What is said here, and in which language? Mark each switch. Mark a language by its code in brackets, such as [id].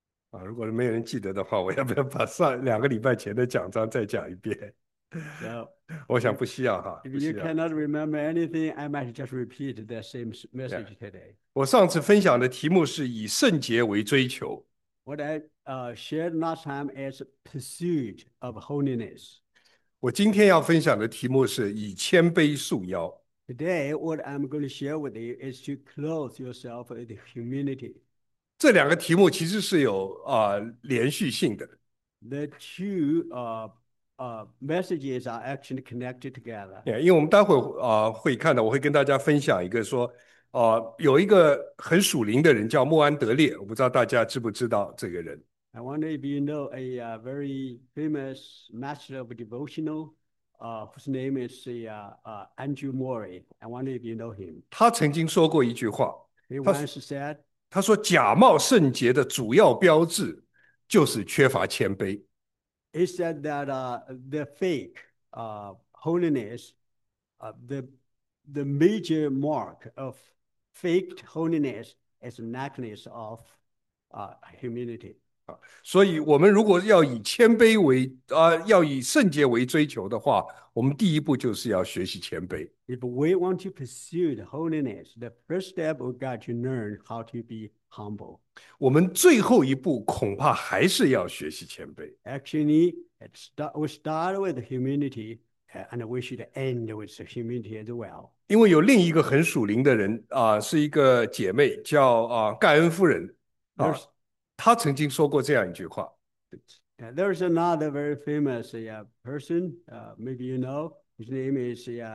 [zh] 啊，如果没有人记得的话，我要不要把上2个礼拜前的奖章再讲一遍？ [en] So, [zh] 我想不需要哈， [en] if [zh] 不 [en] you [zh] 需要。 [en] cannot remember anything, I might just repeat that same message today. [zh] 我上次分享的题目是以圣洁为追求。 [en] What I shared last time is pursuit of holiness. [zh] 我今天要分享的题目是以谦卑束腰。 [en] Today, what I'm going to share with you is to clothe yourself with humility. [zh] 这两个题目其实是有连续性的。 [en] The two messages are actually connected together. [zh] 因为我们待会会看到，我会跟大家分享一个说，有一个很属灵的人叫穆安德烈，我不知道大家知不知道这个人。 [en] I wonder if you know a very famous master of devotional. Whose name is Andrew Murray. I wonder if you know him. [zh] 他曾经说过一句话， [en] He once said, [zh] 他说：“假冒圣洁的主要标志就是缺乏谦卑。 [en] He said that the fake holiness, the major mark of faked holiness is lackness of humility. [zh] ”所以，我们如果要以谦卑为要以圣洁为追求的话，我们第一步就是要学习谦卑。 [en] If we want to pursue the holiness, the first step we've got to learn how to be humble. [zh] 我们最后一步恐怕还是要学习谦卑。 [en] Actually, we start with humility, and we should end with humility as well. [zh] 因为有另一个很属灵的人是一个姐妹叫盖恩夫人她曾经说过这样一句话。 [en] There's another very famous person, maybe you know, his name is.